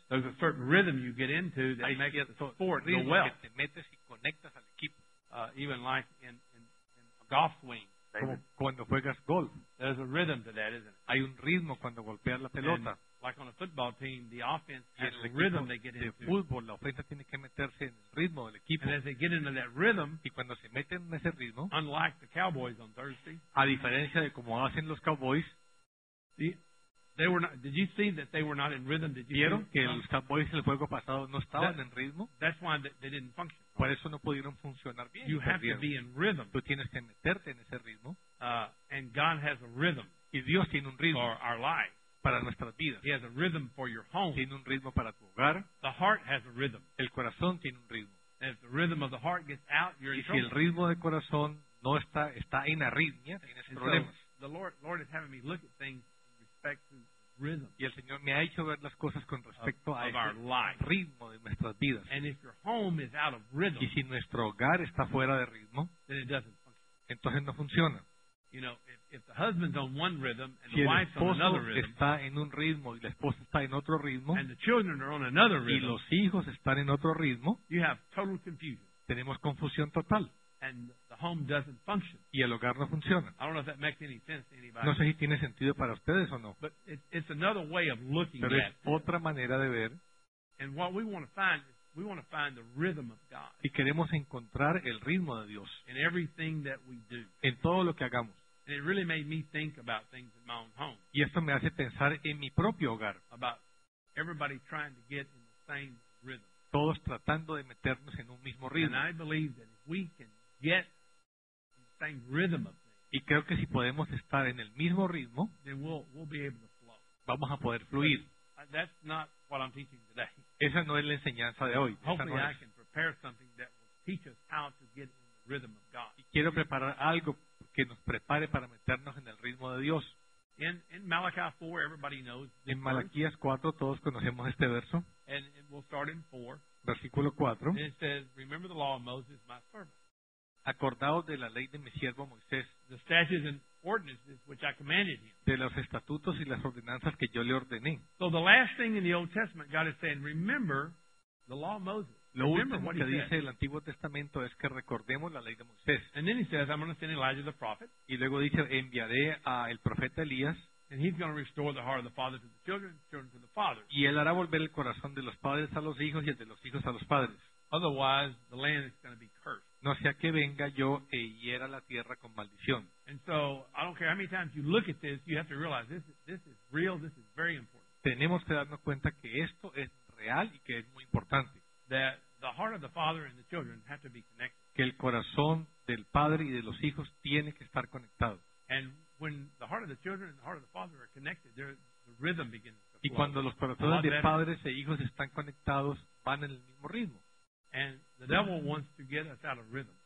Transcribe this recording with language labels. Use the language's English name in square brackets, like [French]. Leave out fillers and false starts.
[English] there's a certain rhythm you get into that makes the sport go well. [Spanish] Te metes y conectas al equipo. [English] Even like in a golf swing, [Spanish] como cuando juegas golf. [English] There's a rhythm to that, isn't it? [Spanish] Hay un ritmo cuando golpeas la pelota. [English] And like on a football team, the offense has a rhythm they get into. [Spanish] De fútbol, la ofensa tiene que meterse en el ritmo del equipo. [English] And as they get into that rhythm, [Spanish] y cuando se meten en ese ritmo, [English] unlike the Cowboys on Thursday, [Spanish] a diferencia de como hacen los Cowboys, [English] they were not, did you see that they were not in rhythm? Did you [Spanish] vieron que los Cowboys el juego pasado no estaban en ritmo? [English] That's why they didn't function. [Spanish] Por eso no pudieron funcionar bien. [English] You have to be in rhythm. [Spanish] Tú tienes que meterte en ese ritmo. [English] And God has a rhythm. [Spanish] Y Dios tiene un ritmo [English] for our lives. [Spanish] Para nuestras vidas. [English] He has a rhythm for your home. [Spanish] Tiene un ritmo para tu hogar. [English] The heart has a rhythm. [Spanish] El corazón tiene un ritmo. [English] And if the rhythm of the heart gets out, you're in trouble. [Spanish] Y si el ritmo del corazón no está, está en arritmia, tienes problemas. [English] So the Lord is having me look at things in respect to rhythm. [Spanish] Y el Señor me ha hecho ver las cosas con respecto [English] of, [Spanish] a [English] of our life. [Spanish] Ritmo de nuestras vidas. [English] And if your home is out of rhythm, [Spanish] y si nuestro hogar está fuera de ritmo, [English] then it doesn't function. [Spanish] Entonces no funciona. [English] You know, if the husband's on one rhythm and [Spanish] si [English] the wife's on another rhythm, [Spanish] está en un ritmo y la esposa está en otro ritmo, [English] and the children are on another rhythm, [Spanish] y los hijos están en otro ritmo, [English] you have total confusion. [Spanish] Tenemos confusión total. [English] And the home doesn't function. [Spanish] Y el hogar no funciona. [English] I don't know if that makes any sense to anybody. [Spanish] No sé si tiene sentido para ustedes o no. [English] But it's another way of looking [Spanish] pero [English] at [Spanish] es otra manera de ver. [English] And what we want to find is we want to find the rhythm of God. [Spanish] Y queremos encontrar el ritmo de Dios. [English] In everything that we do. [Spanish] En todo lo que hagamos. [English] And it really made me think about things in my own home. [Spanish] Y esto me hace pensar en mi propio hogar. [English] About everybody trying to get in the same rhythm. [Spanish] Todos tratando de meternos en un mismo ritmo. [English] And I believe that if we can get in the same rhythm of things, [Spanish] y creo que si podemos estar en el mismo ritmo, [English] then we'll be able to flow. [Spanish] Vamos a poder fluir. [English] But that's not what I'm teaching today. [Spanish] Esa no es la enseñanza de hoy. [English] Hopefully [Spanish] no [English] I can prepare something that will teach us how to get in the rhythm of God. [Spanish] Y quiero preparar algo que nos prepare para meternos en el ritmo de Dios. [English] In Malachi 4, everybody knows [Spanish] en Malaquías 4, todos conocemos este verso. [English] And we'll start in 4. [Spanish] Versículo 4. [English] And it says, remember the law of Moses, my servant. [Spanish] Acordaos de la ley de mi siervo Moisés. [English] The statutes and ordinances which I commanded him. [Spanish] De los estatutos y las ordenanzas que yo le ordené. [English] So the last thing in the Old Testament, God is saying, remember the law of Moses. [Spanish] Lo último que dice el Antiguo Testamento es que recordemos la ley de Moisés. [English] And then he says, I'm going to send Elijah the prophet. [Spanish] Y luego dice, enviaré a el profeta Elías. [English] And he's going to restore the heart of the father to the children, children to the fathers. [Spanish] Y él hará volver el corazón de los padres a los hijos y el de los hijos a los padres. [English] Otherwise, the land is going to be cursed. [Spanish] No sea que venga yo e hiera la tierra con maldición. [English] And so, I don't care how many times you look at this, you have to realize this is real, this is very important. [Spanish] Tenemos que darnos cuenta que esto es real y que es muy importante. [English] That the heart of the father and the children have to be connected. [Spanish] Que el corazón del padre y de los hijos tiene que estar conectado. [English] And when the heart of the children and the heart of the father are connected, the rhythm begins to flow. [Spanish] Y cuando los corazones de padres e hijos están conectados, van en el mismo ritmo. [English] And the devil wants to get us out of rhythm.